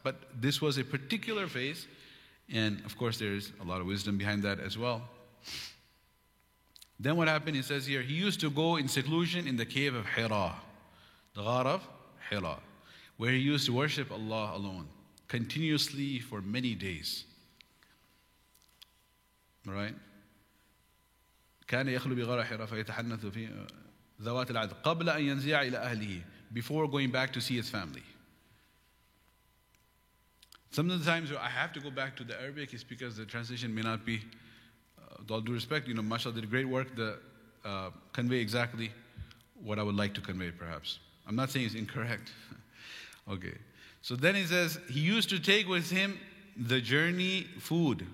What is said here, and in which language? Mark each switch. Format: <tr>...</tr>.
<en>But this was a particular phase. And of course, there is a lot of wisdom behind that as well. Then what happened, he says here, he used to go in seclusion in the cave of Hira, the ghar of Hira, where he used to worship Allah alone, continuously for many days. Right?</en> <ar>كَانَ يَخْلُو بِغَارَ حِرَى فَيَتَحَنَّثُ فِي ذَوَاتِ الْعَدْ قَبْلَ أَنْ يَنْزِعَ إِلَى أَهْلِهِ</ar> <en>Before going back to see his family. Some of the times I have to go back to the Arabic is because the translation may not be, with all due respect, you know, Mashallah did great work to convey exactly what I would like to convey, perhaps. I'm not saying it's incorrect. Okay. So then he says, he used to take with him the journey food.</en>